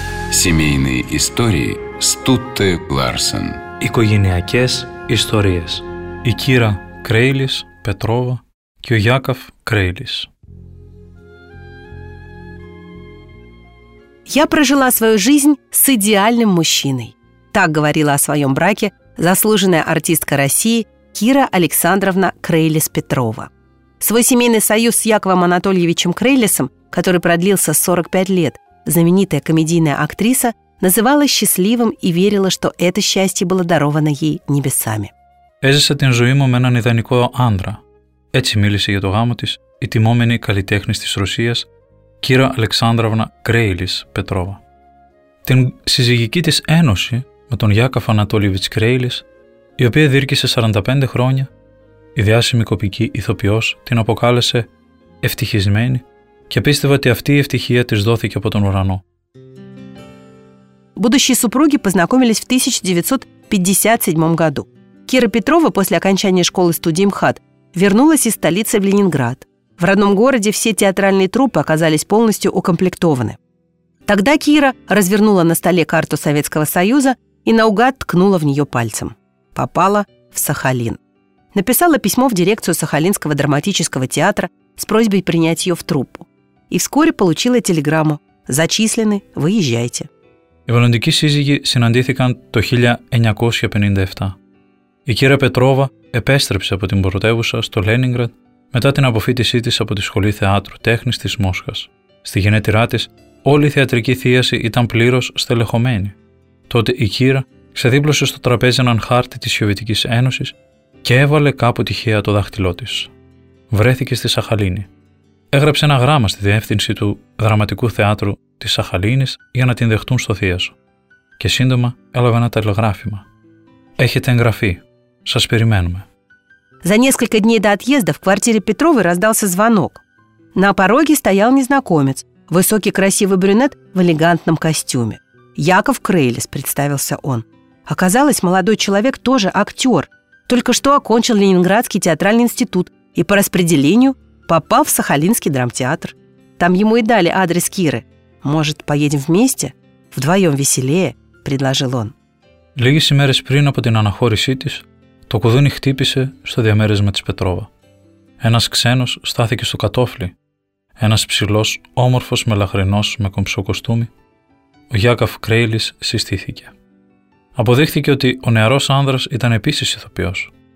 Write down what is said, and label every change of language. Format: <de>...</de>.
<ru>Семейные истории Стутте Ларсен.</ru> <el>Οικογενειακές ιστορίες. Η Κύρα Κρέιλις Πετρόβα και ο Γιάκαφ Κρέιλις.</el> <ru>«Я прожила свою жизнь с идеальным мужчиной», так говорила о своем браке заслуженная артистка России Кира Александровна Крейлис Петрова. Свой семейный союз с Яковом Анатольевичем Крейлисом, который продлился 45 лет, знаменитая комедийная актриса называла счастливым и верила, что это счастье было даровано ей небесами.</ru> <el>«Έζησα την ζωή μου με έναν ιδανικό άντρα», έτσι μίλησε για το γάμο της η τιμόμενη καλλιτέχνης της Ρωσίας Κύρα Αλεξάνδραυνα Κρέιλις Πετρόβα. Την συζυγική της ένωση με τον Γιάκαφ Ανατολίβιτς Κρέιλις, η οποία διήρκησε 45 χρόνια, η διάσημη κωμική ηθοποιός την αποκάλεσε ευτυχισμένη και πίστευε ότι αυτή η ευτυχία της δόθηκε από τον ουρανό.</el> <ru>Будущие супруги познакомились в 1957 году. Кира Петрова после окончания школы студии МХАТ вернулась из столицы в Ленинград. В родном городе все театральные труппы оказались полностью укомплектованы. Тогда Кира развернула на столе карту Советского Союза и наугад ткнула в нее пальцем. Попала в Сахалин. Написала письмо в дирекцию Сахалинского драматического театра с просьбой принять ее в труппу. И вскоре получила телеграмму: «Зачислены, выезжайте».</ru> <el>Οι βαλλοντικοί σύζυγοι συναντήθηκαν το 1957. Η κυρία Πετρόβα επέστρεψε από την πρωτεύουσα στο Λένιγκραντ μετά την αποφύτισή της από τη σχολή θεάτρου τέχνης της Μόσχας. Στη γενέτειρά της, όλη η θεατρική θίαση ήταν πλήρως στελεχωμένη. Τότε η κύρα ξεδίπλωσε στο τραπέζι έναν χάρτη της Σοβιετικής Ένωσης και έβαλε κάπου τυχαία το δάχτυλό της. Βρέθηκε στη Σαχαλίνη. Έγραψε ένα γράμμα στη διεύθυνση του Δραματικού Θεάτρου της Σαχαλίνης για να την δεχτούν στο θείασο. Και σύντομα έλαβε ένα τηλεγράφημα. Έχετε εγγραφή. Σας περιμένουμε.</el> <ru>За несколько дней до отъезда в квартире Петровой раздался звонок. На пороге стоял незнакомец, высокий красивый брюнет в элегантном костюме. Яков Крейлис, представился он. Оказалось, молодой человек тоже актер. Только что окончил Ленинградский театральный институт и по распределению попал в Сахалинский драмтеатр. Там ему и дали адрес Киры. Может, поедем вместе? Вдвоем веселее, предложил он.</ru> <el>Лигис имерес прин апо тин анахориситис, το κουδούνι χτύπησε στο διαμέρισμα της Πετρόβα. Ένας ξένος στάθηκε στο κατόφλι. Ένας ψηλός, όμορφος, μελαχρινός, με κομψό κοστούμι. Ο Γιάκαφ Κρέιλις συστήθηκε. Αποδείχθηκε ότι ο νεαρός άνδρας ήταν επίσης ηθοποιός.</el>